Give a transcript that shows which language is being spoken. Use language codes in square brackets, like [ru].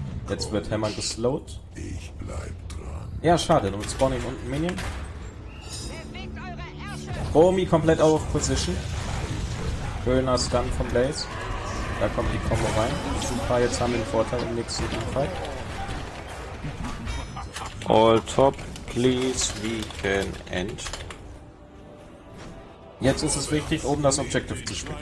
[de] Jetzt wird Hammer geslowt. Ich bleib dran. Ja, schade. Und spawnen unten Minion. Chromi komplett out of position. Schöner Stun von Blaze. Da kommt die Kombo rein. Super, jetzt haben wir den Vorteil im nächsten Fight. [en] All top, please, we can end. [de] Jetzt ist es wichtig, oben das Objective zu spielen.